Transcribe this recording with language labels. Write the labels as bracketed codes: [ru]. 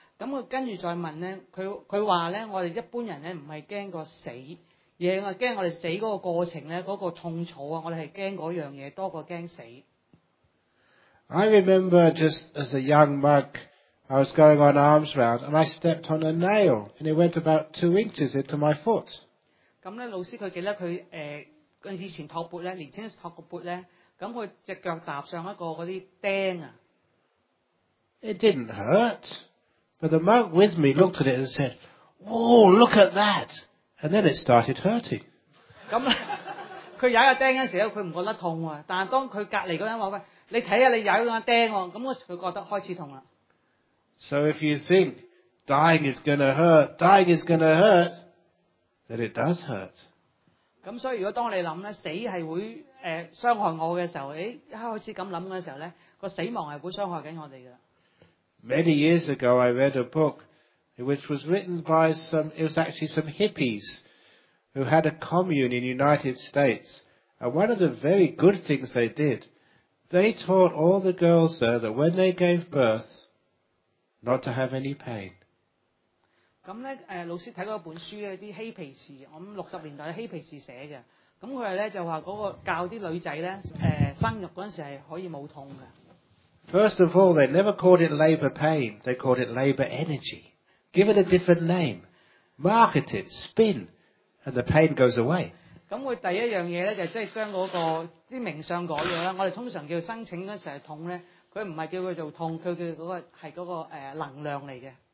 [yue] 咁佢跟住再問咧，佢話咧，我哋一般人咧唔係驚個死，而係驚我哋死嗰個過程咧，嗰個痛楚啊，我哋係驚嗰樣嘢多過驚死。 [en] I remember just as a young monk, I was going on arms round and I stepped on a nail and it went about 2 inches into my foot. [yue] 咁咧，老師佢記得佢以前托缽咧，年輕時托個缽咧。咁佢只腳踏上一個嗰啲釘啊 [en] ！It didn't hurt, but the monk with me looked at it and said, "Oh, look at that!" And then it started hurting. [yue] 咁佢踩個釘嗰時咧，佢唔覺得痛喎。但係當佢隔離嗰人話：喂，你睇下你踩嗰個釘喎。咁嗰時佢覺得開始痛啦。 [en] So if you think dying is going to hurt, dying is going to hurt, then it does hurt. [yue] 咁所以如果當你諗咧，死係會。傷害我嘅時候，一開始咁諗嘅時候咧，個死亡係會傷害緊我哋嘅。 [en] Many years ago, I read a book which was written by some hippies who had a commune in the United States. And one of the very good things they did, they taught all the girls there that when they gave birth, not to have any pain. [yue] 咁咧，老師睇嗰本書咧，啲嬉皮士，我諗60年代嘅嬉皮士寫嘅。咁佢咧就話嗰個教啲女仔咧，生育嗰陣時係可以冇痛嘅。 [en] First of all, they never called it labour pain. They called it labour energy. Give it a different name, market it, spin, and the pain goes away. [yue] 咁佢第一樣嘢咧就即係將嗰個啲名相改咗啦。我哋通常叫生請嗰陣時係痛咧，佢唔係叫佢做痛，佢叫嗰個係嗰個能量嚟嘅。